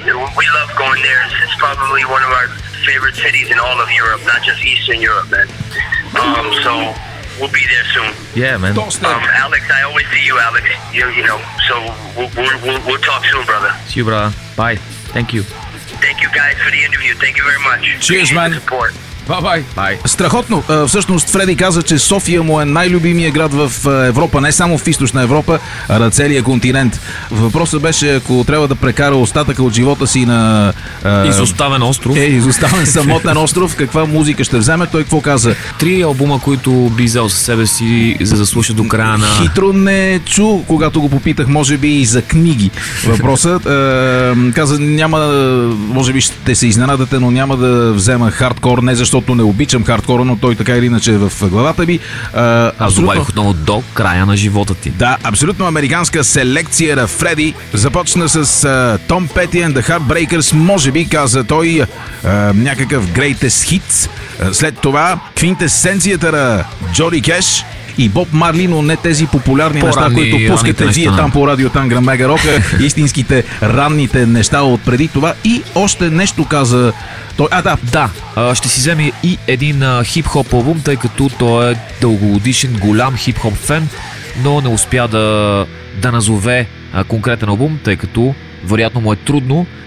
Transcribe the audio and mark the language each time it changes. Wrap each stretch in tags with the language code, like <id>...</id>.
<en>We love going there. It's probably one of our favorite cities in all of Europe, not just Eastern Europe, man. So we'll be there soon. Yeah, man. Alex, I always see you, Alex. You know. So we'll talk soon, brother. See you, brother. Bye. Thank you. Thank you, guys, for the interview. Thank you very much. Cheers, man. Support. Бай-бай! Бай!</en> <bg>Страхотно! Всъщност Фреди каза, че София му е най-любимия град в Европа, не само в Източна Европа, а на целия континент. Въпросът беше, ако трябва да прекара остатъка от живота си на... Изоставен остров. Изоставен самотен остров. Каква музика ще вземе? Той какво каза? Три албума, които би взел със себе си, за да слуша до края на... Хитро не чу, когато го попитах, може би и за книги. Въпросът. Каза, няма, може би ще се изненадате, но няма да взема хардкор, не защото не обичам хардкора, но той така или иначе в главата ми. Аз добавих отново до края на живота ти. Да, абсолютно американска селекция на Фреди. Започна с Tom Petty and the Heartbreakers, може би, каза той, някакъв</bg> <en>greatest hit.</en> <bg>След това квинтесенцията на Джоди Кеш и Боб Марли, но не тези популярни по-ранни, неща, които пускате вие там по радио Тангра Мега Рока, истинските ранните неща от преди това. И още нещо каза той. А, да. Да, ще си вземе и един хип-хоп албум, тъй като той е дългогодишен, голям хип-хоп фен, но не успя да назове конкретен албум, тъй като вероятно му е трудно.</bg>